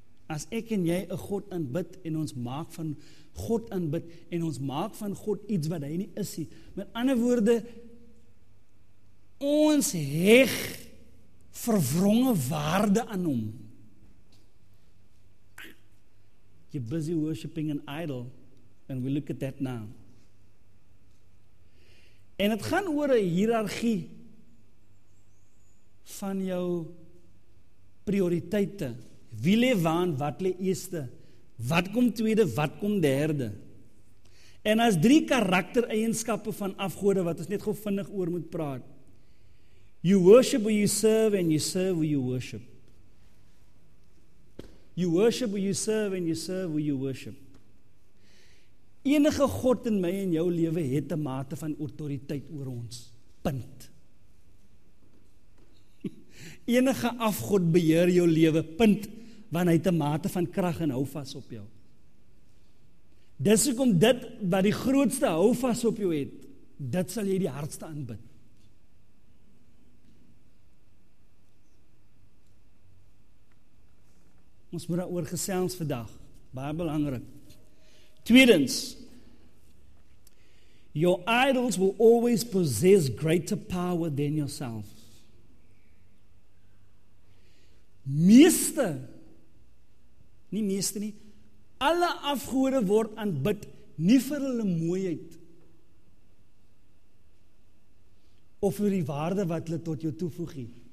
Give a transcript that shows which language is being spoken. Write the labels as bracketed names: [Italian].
[Afrikaans] As ek en jy 'n God aanbid en ons maak van God aanbid en ons maak van God iets wat hy nie is nie. Met ander woorde, ons heg verwronge waarde aan hom. [English] You're busy worshipping an idol and we look at that now. [Afrikaans] En het gaan oor 'n hiërargie van jou prioriteite. Wie lê waan, wat lê eerste, wat kom tweede, wat kom derde. En as drie karaktereienskappe van afgode wat ons net gou vinnig oor moet praat. [English] You worship who you serve and you serve who you worship. You worship who you serve and you serve who you worship. [Afrikaans] Enige God in my en jou lewe het 'n mate van autoriteit oor ons. Punt. Enige afgod beheer jou lewe. Punt. Want hy het 'n mate van krag en hou vas op jou. Dis hoekom dit wat die grootste hou vas op jou het, dit sal jy die hardste aanbid. Ons moet daar oor gesels vandag. Baie belangrik. [English] Tweedens, your idols will always possess greater power than yourself. [Afrikaans] Meeste, nie meeste nie, alle afgode word aanbid nie vir hulle mooiheid of vir die waarde wat hulle tot jou toevoeg nie.